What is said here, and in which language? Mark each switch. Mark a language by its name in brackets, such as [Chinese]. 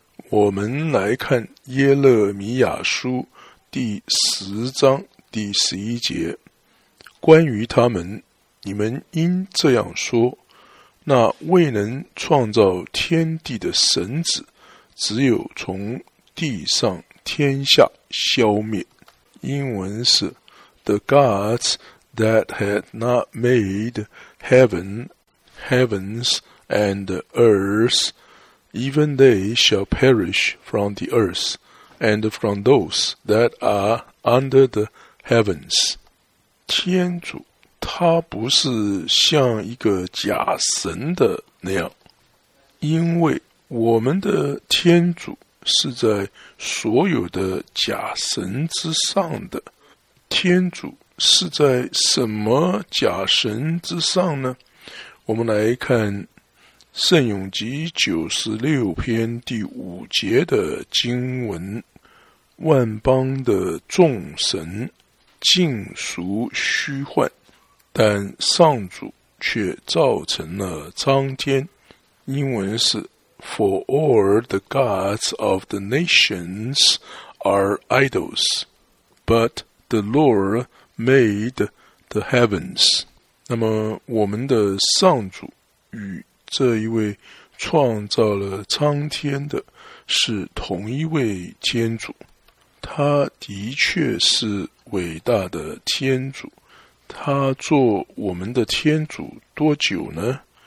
[Chinese] 我们来看耶勒米亚书第10章第11节，关于他们，你们应这样说，那未能创造天地的神子，只有从地上天下消灭。英文是 [English] The gods that had not made heaven, heavens and earth,Even they shall perish from the earth and from those that are under the heavens. [Chinese] 天主他不是像一个假神的那样，因为我们的天主是在所有的假神之上的。天主是在什么假神之上呢？我们来看圣咏集96篇第5节的经文，万邦的众神尽属虚幻，但上主却造成了苍天。英文是 [English] For all the gods of the nations are idols, but the Lord made the heavens. [Chinese] 那么我们的上主与这一位创造了苍天的是同一位天主，他的确是伟大的天主。他做我们的天主多久呢？